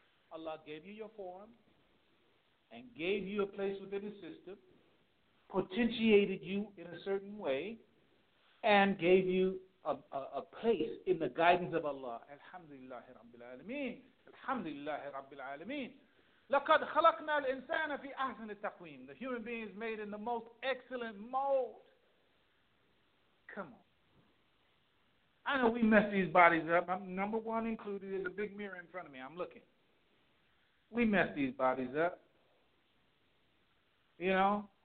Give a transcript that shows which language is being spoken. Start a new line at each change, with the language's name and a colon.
English: Allah gave you your form and gave you a place within the system, potentiated you in a certain way, and gave you a place in the guidance of Allah. Alhamdulillahi Rabbil Alameen. Alhamdulillahi Rabbil Alameen.
Arabic: لقد خلقنا الإنسان في أحسن التقويم.
English: The human being is made in the most excellent mold. Come on. I know we mess these bodies up. I'm number one included. There's a big mirror in front of me. I'm looking. We mess these bodies up. You know?